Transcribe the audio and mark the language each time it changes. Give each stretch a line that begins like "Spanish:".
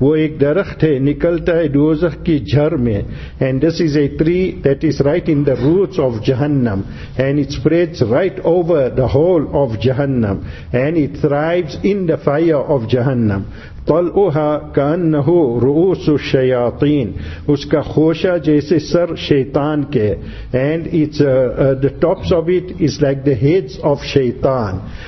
Urdu: Wo ek darakht hai, nikalta hai dozakh ki jhar mein.
English: And this is a tree that is right in the roots of Jahannam, and it spreads right over the whole of Jahannam, and it thrives in the fire of Jahannam.
Arabic: طَلْعُهَا كَأَنَّهُ رُؤُوسُ الشَّيَاطِينَ.
Urdu: اس کا خوشہ جیسے سر شیطان کے.
English: And it's the tops of it is like the heads of شیطان.